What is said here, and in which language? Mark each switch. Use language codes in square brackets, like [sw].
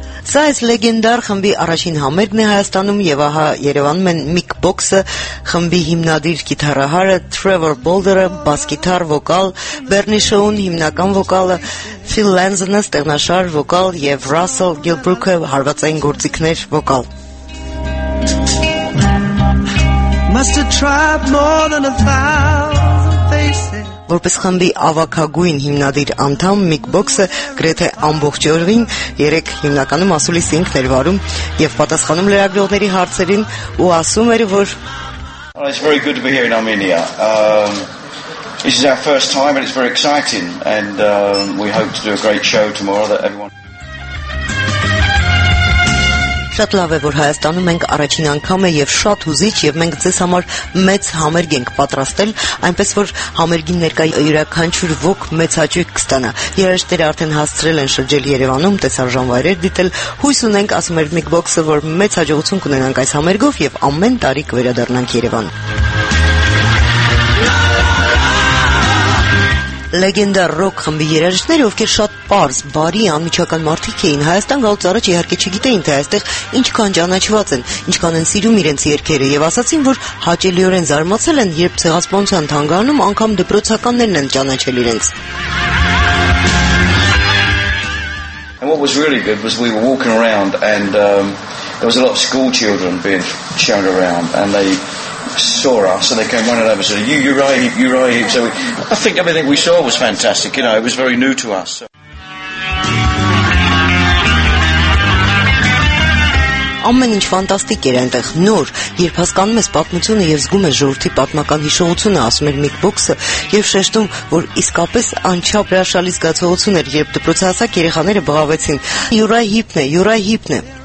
[hy] Սա այս լեգենդար խմբի առաջին համերգն է Հայաստանում, եւ ահա Երևանում են Միկ Բոքսը, խմբի հիմնադիր գիտարահարը Տրևոր Բոլդերը, բասգիտար, վոկալ, Բեռնի Շոուն հիմնական վոկալը, Ֆիլ Լենզենը ստեղնաշար վոկալ եւ Ռասել Գիլբրուքը հարվածային գործիքներ վոկալ։ Որպես խմբի ավակագույն հիմնադիր անդամ Միկ Բոքսը գրեթե ամբողջ օրվին 3 հիմնականում ասուլիս էին ներվարում եւ պատասխանում լրագրողների հարցերին ու ասում էր, որ [en] It's very good to be here in Armenia. This is our first time and it's very exciting and we hope to do a great show tomorrow that everyone [hy] Շատ լավ է, որ Հայաստանում ենք առաջին անգամ է եւ շատ հուզիչ, եւ մենք ձեզ համար մեծ համերգ ենք պատրաստել, այնպես որ համերգին ներկայ յուրաքանչյուր ոք մեծ հաճույք կստանա։ Երաշտերը արդեն հասցրել են շրջել Երևանում, տեսարժան վայրեր դիտել, հույս ունենք, ասում էր Միկ Բոքսը, որ մեծ հաջողություն կունենանք այս համերգով եւ ամեն տարի կվերադառնանք Երևան։ Լեգենդար ռոք խմբի երաժիշտները, ովքեր շատ պարզ, բարի, անմիջական մարդիկ էին, Հայաստան գալուց առաջ իհարկե չգիտեին, թե այստեղ ինչքան ճանաչված են, ինչքան են սիրում իրենց երգերը, եւ ասացին, որ հաճելիորեն զարմացել են, երբ ցեղասպանության թանգարանում անգամ դպրոցականներն են ճանաչել իրենց։ [en] And what was really good was we were walking around and there was a lot of school children being shown around and they saw us and they came running over and said, you're right. So I think everything we saw was fantastic, you know, it was very new to us. So. [hy] Ամեն ինչ ֆանտաստիկ էր այնտեղ, նոր, երբ հասկանում ես պատմությունը եւ զգում ես ժողովրդի պատմական հիշողությունը, ասում էր Միկ Բոքսը, եւ շեշտում, որ իսկապես անչափ հրաշալի զգացողություն էր, երբ դպրոցահասակ երեխաները բղավեցին. Յուրայ հիպն է, Յուրայ հիպն է.